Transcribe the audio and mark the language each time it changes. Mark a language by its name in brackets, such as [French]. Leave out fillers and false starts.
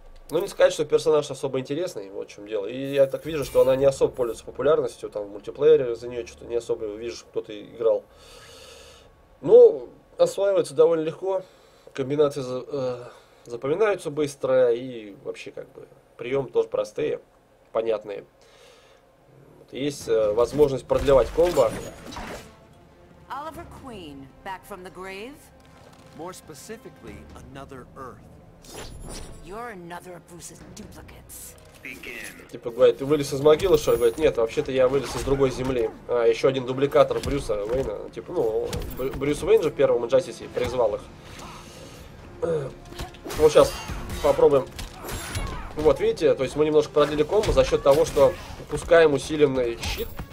[Russian] Ну, не сказать, что персонаж особо интересный, вот в чем дело. И я так вижу, что она не особо пользуется популярностью, там, в мультиплеере за нее что-то не особо вижу, кто-то играл. Ну, осваивается довольно легко, комбинации запоминаются быстро, и вообще как бы приемы тоже простые, понятные. Вот, есть возможность продлевать комбо. [English] Оливер Квин, back from the grave? More specifically, another Earth. You're another of Bruce's duplicates. Begin. [Russian] Типа говорит, ты вылез из могилы, что ли? Говорит, нет, вообще-то я вылез из другой земли. А, еще один дубликатор Брюса Уэйна. Типа, ну, Брюс Уэйн же в первом Injustice призвал их. Вот сейчас попробуем. Вот, видите, то есть мы немножко продлили комбо за счет того, что упускаем усиленный щит.